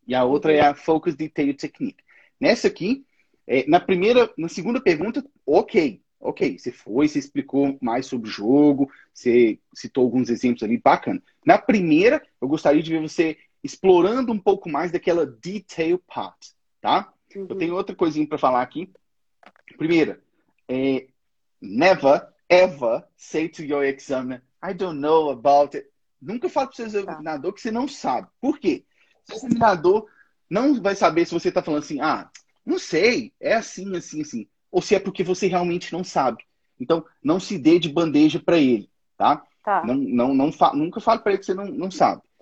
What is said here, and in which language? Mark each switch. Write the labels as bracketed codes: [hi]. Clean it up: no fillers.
[pt] E a outra é a Focus Detail Technique. Nessa aqui, na segunda pergunta, ok. Você foi, você explicou mais sobre o jogo, você citou alguns exemplos ali, bacana. Na primeira, eu gostaria de ver você explorando um pouco mais daquela [en] detail part, [pt] tá? Eu tenho outra coisinha para falar aqui. Primeira, [en] never, ever say to your examiner, I don't know about it. [pt] Nunca fale para o seu examinador que você não sabe. Por quê? Seu examinador não vai saber se você está falando assim, ah, não sei, é assim, assim, assim. Ou se é porque você realmente não sabe. Então, não se dê de bandeja para ele, tá? Não, não, não fa nunca fale para ele que você não sabe.